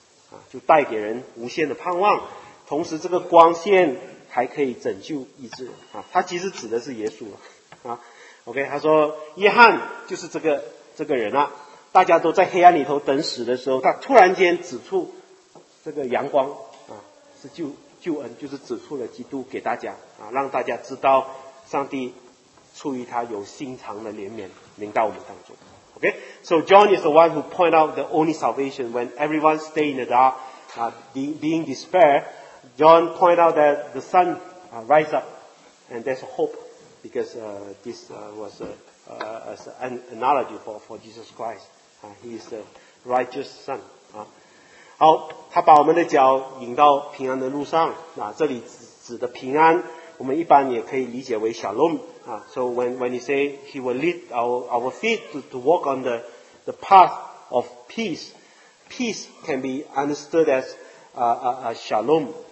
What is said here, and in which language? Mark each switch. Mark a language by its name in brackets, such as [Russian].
[Chinese] 啊，就带给人无限的盼望，同时这个光线还可以拯救医治，啊，他其实指的是耶稣，啊，OK， 他说约翰就是这个人啊，大家都在黑暗里头等死的时候，他突然间指出这个阳光啊，是救恩，就是指出了基督给大家啊，让大家知道上帝出于他有心肠的怜悯临到我们当中。 [English] OK， so John is the one who point out the only salvation when everyone stay in the dark, being despair. John point out that the sun rise up and there's hope. Because this was an analogy for Jesus Christ. He is the righteous son. [Chinese] 好，他把我们的脚引到平安的路上。啊，这里指的平安，我们一般也可以理解为 shalom. [English] So when he say he will lead our feet to walk on the path of peace, peace can be understood as a shalom.